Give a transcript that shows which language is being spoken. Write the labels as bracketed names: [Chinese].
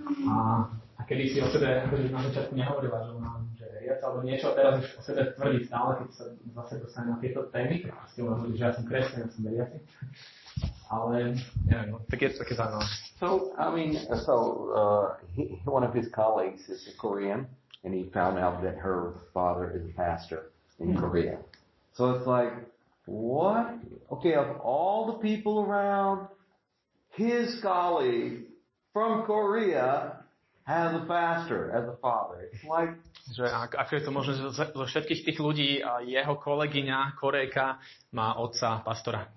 [Slovak] A kedy si o sebe, akože na začiatku nehovorila, že ona je veriaca alebo niečo, teraz už o sebe tvrdí stále, keď sa zase dostane na tieto témy, a si ona hovorí, že ja som kresťan, ja som veriaci. [English] So I mean, he, one of his colleagues is a Korean, and he found out that her father is a pastor in Korea. So it's like, what? Okay, of all the people around, his colleague from Korea has a pastor as a father. It's like, [Slovak] že ako je to možno, zo všetkých tých ľudí a jeho kolegyňa Korejka má otca pastora.